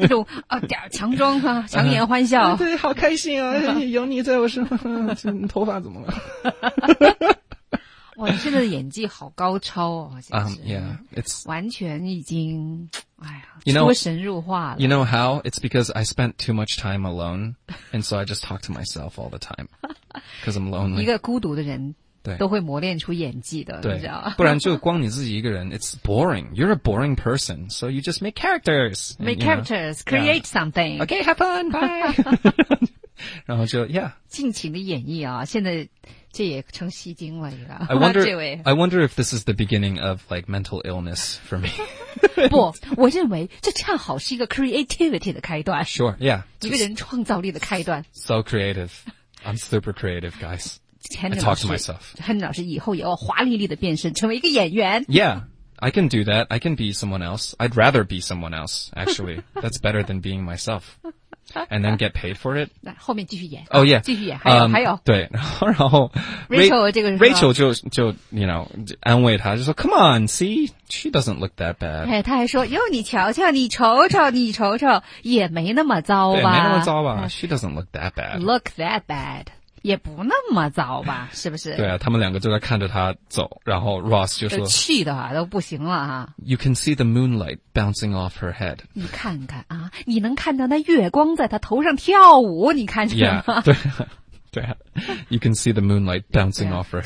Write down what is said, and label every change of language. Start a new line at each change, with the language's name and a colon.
Chinese: 那种啊，点强装啊，强颜欢笑、对，好开心啊，有你在我身上，头发怎么了？哇，你现在的演技好高超哦！啊、
English: yeah,
Chinese: 完全已经，哎呀，出神入化了。
English: You know how? It's because I spent too much time alone, and so I just talk to myself all the time, because I'm lonely.
Chinese: 一个孤独的人，对，都会磨练出演技的，对，你知道不然就光你自己一个人 ，
English: it's boring. You're a boring person, so you just make characters, make characters, you know, create something. Okay, have fun, bye.
Chinese: 然后就
English: yeah,
Chinese: 尽情的演绎啊，现在。这也成戏精了一个。
English: I wonder if this is the beginning of like mental illness for me.
Chinese: 不，我认为这恰好是一个 creativity 的开端。
English: Sure, yeah.
Chinese: 一个人创造力的开端。
English: So creative. I'm super creative, guys. I talk to myself.
Chinese: 潘老师以后也要华丽丽的变身成为一个演员。
English: Yeah, I can do that. I can be someone else. I'd rather be someone else, actually. That's better than being myself. And then get paid for it.
Chinese: 后面继续演。
English: Oh yeah,
Chinese: 继续演。还有。对，然后 Rachel 这个人
English: Rachel 就 you know
Chinese: 安慰他，就说
English: Come on, see, she doesn't look that bad.
Chinese: 哎，他还说哟，你瞧瞧，你瞅瞅，也没那么糟吧？对，没那么糟吧 ？
English: She doesn't look that bad. Look that bad.
Chinese: 也不那么糟吧？是不是？对啊，他们两个就在看着他走，然后 Ross 就说气的啊，都不行了啊。
English: You can see the moonlight bouncing off her head.
Chinese: 你看看啊，你能看到那月光在他头上跳舞，你看见吗
English: ？Yeah, 对啊 ，You can see the moonlight bouncing off her head.